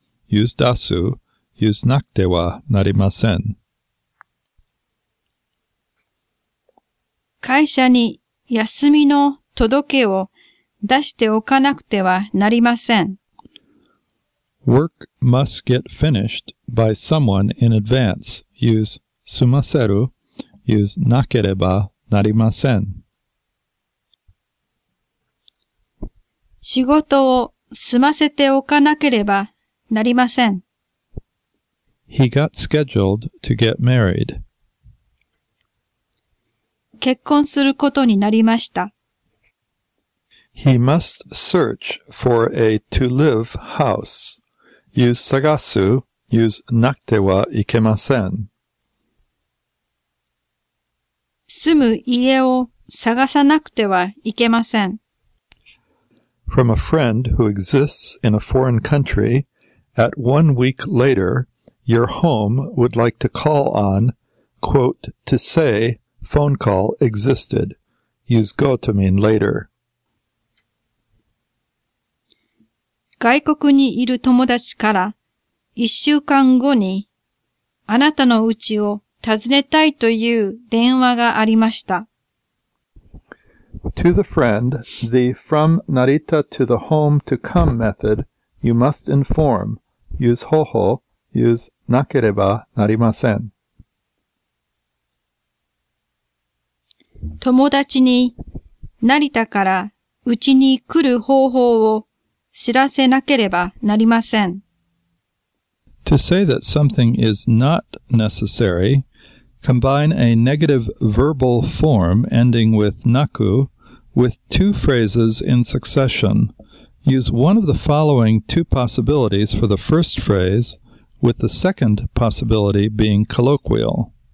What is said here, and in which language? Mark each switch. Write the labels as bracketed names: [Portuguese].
[English] Use 出す。 Use [Japanese] なくてはなりません。会社に休みの届けを出しておかなくてはなりません。 [English] Work must get finished by someone in advance. Use 済ませる。 Use [Japanese] なければなりません。仕事を済ませておかなければなりません。 [English] He got scheduled to get married. [Japanese] 結婚することになりました。 [English] He must search for a to live house. Use 探す, use [Japanese] なくてはいけません。住む家を探さなくてはいけません。 [English] From a friend who exists in a foreign country, at 1 week later, your home would like to call on, quote, to say,Phone call existed. Use go to mean later. [Japanese] 外国にいる友達から一週間後にあなたの家を訪ねたいという電話がありました。 [English] To the friend, the from Narita to the home to come method, you must inform. Use 方法, use [Japanese] なければなりません。友達に成田からうちに来る方法を知らせなければなりません。 [English] To say that something is not necessary, combine a negative verbal form ending with naku with two phrases in succession. Use one of the following two possibilities for the first phrase, with the second possibility being colloquial.